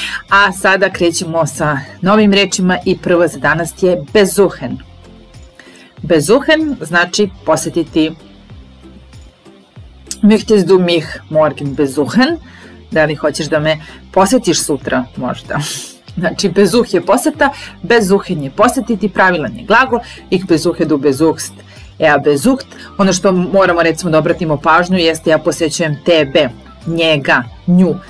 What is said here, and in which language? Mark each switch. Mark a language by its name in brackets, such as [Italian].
[Serbian] A sada krećemo sa novim rečima i prva za danas je bezuhen. Bezuhen znači posetiti. [German] Möchtest du mich morgen besuchen? [Serbian] Da li hoćeš da me posetiš sutra možda? Znači, bezuh je poseta, bezuhen je posetiti, pravilan je glagol, [German] ich besuche du besuchst, er besucht. [Serbian] Ono što moramo recimo da obratimo pažnju jeste ja posećujem tebe, njega, nju.